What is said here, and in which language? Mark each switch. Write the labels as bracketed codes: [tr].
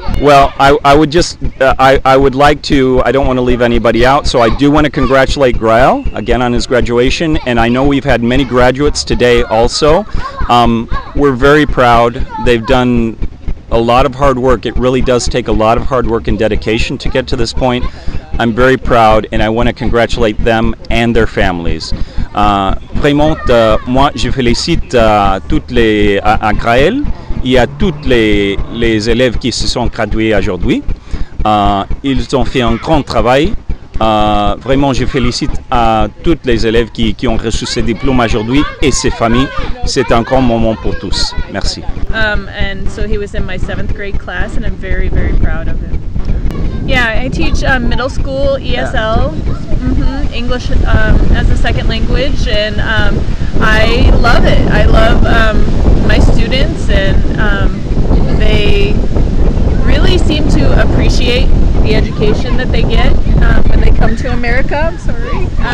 [en] Well, I don't want to leave anybody out, so I do want to congratulate Grael again on his graduation, and I know we've had many graduates today also. We're very proud. They've done a lot of hard work. It really does take a lot of hard work and dedication to get to this point. I'm very proud, and I want to congratulate them and their families. [fr] Vraiment, moi, je félicite toutes les à Grael et à toutes les élèves qui se sont gradués aujourd'hui. Ils ont fait un grand travail. Vraiment, je félicite à toutes les élèves qui ont reçu ces diplômes aujourd'hui et ses familles. C'est un grand moment pour tous. Merci. [en] And so he was in my 7th grade class, and I'm very, very proud of him. Yeah, I teach middle school ESL, English as a second language, and I love it. I love my students, and they really seem to appreciate the education that they get when they come to America. I'm sorry.